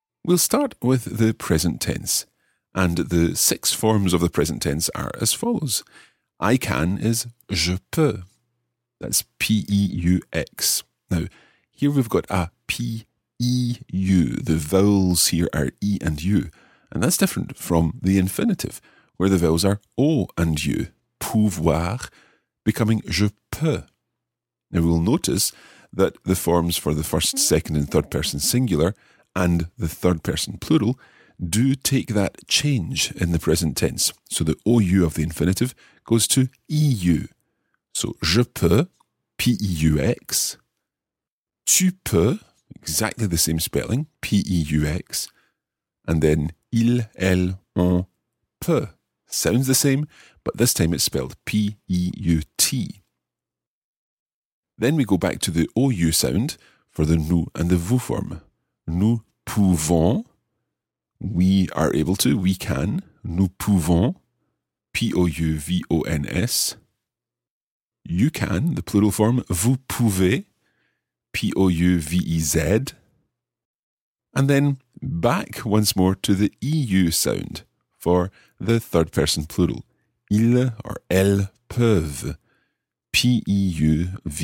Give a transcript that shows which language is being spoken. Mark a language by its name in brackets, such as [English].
[English] We'll start with the present tense. And the six forms of the present tense are as follows. I can is [French] je peux. [English] That's P-E-U-X. Now, here we've got a P E, U. The vowels here are E and U. And that's different from the infinitive, where the vowels are O and U. [French] Pouvoir [English] becoming [French] je peux. [English] Now we'll notice that the forms for the first, second and third person singular and the third person plural do take that change in the present tense. So the OU of the infinitive goes to EU. So [French] je peux, [English] P-E-U-X. [French] Tu peux, [English] exactly the same spelling, P-E-U-X. And then [French] il, elle, on, peut. [English] Sounds the same, but this time it's spelled P-E-U-T. Then we go back to the O-U sound for the nous and the vous form. [French] Nous pouvons. [English] We are able to, we can. Nous pouvons. P-O-U-V-O-N-S. You can, the plural form, [French] vous pouvez. [English] P-O-U-V-E-Z. And then back once more to the E-U sound for the third person plural. [French] Ils [English] or [French] elles peuvent. P-E-U-V-E-N-T.